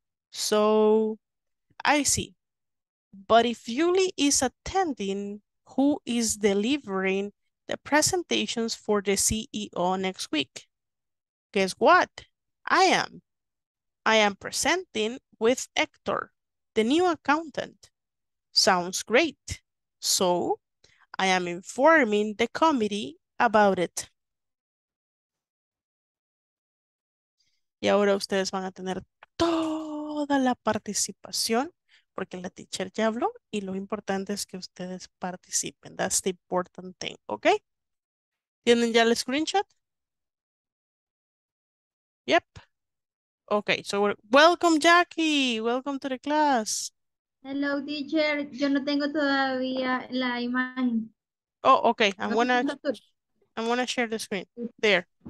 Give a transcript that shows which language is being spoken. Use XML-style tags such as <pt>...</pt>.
<en>So, I see. But if Julie is attending, who is delivering the presentations for the CEO next week? Guess what? I am. I am presenting with Hector, the new accountant. Sounds great. So, I am informing the committee about it.</en> <es>Y ahora ustedes van a tener toda la participación porque la teacher ya habló y lo importante es que ustedes participen.</es> <en>That's the important thing, okay?</en> <es>¿Tienen ya el screenshot?</es> <en>Yep. Okay, so welcome Jackie, welcome to the class. Hello teacher,</en> <es>yo no tengo todavía la imagen.</es> <en>Oh, okay, I'm gonna share the screen, there.</en>